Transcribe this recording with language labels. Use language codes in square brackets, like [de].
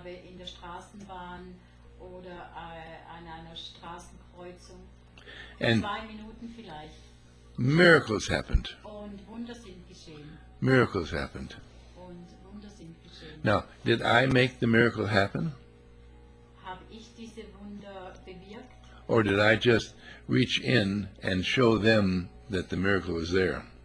[de] In der Straßenbahn oder an einer Straßenkreuzung. [en] And [de] 2 Minuten vielleicht. [en] Miracles happened. [de] Und Wunder sind geschehen. [en] Miracles happened. [de] Und Wunder sind geschehen. [en] Now, did I make the miracle happen? [de] Hab ich diese Wunder bewirkt? [en] Or did I just reach in and show them that the miracle was there?